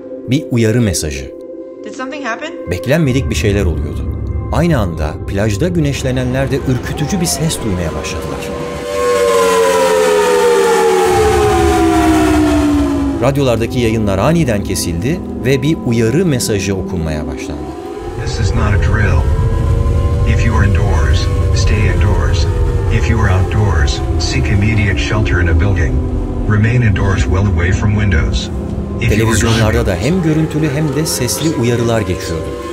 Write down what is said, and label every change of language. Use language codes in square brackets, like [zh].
[tr] Bir uyarı mesajı. Beklenmedik bir şeyler oluyordu. Aynı anda plajda güneşlenenler de ürkütücü bir ses duymaya başladılar. Radyolardaki yayınlar aniden kesildi ve bir uyarı mesajı okunmaya başlandı. [en] This is not a drill. If you are indoors, stay indoors. If you are outdoors, seek immediate shelter in a building. Remain indoors well away from windows. [tr] Televizyonlarda da hem görüntülü hem de sesli uyarılar geçiyordu.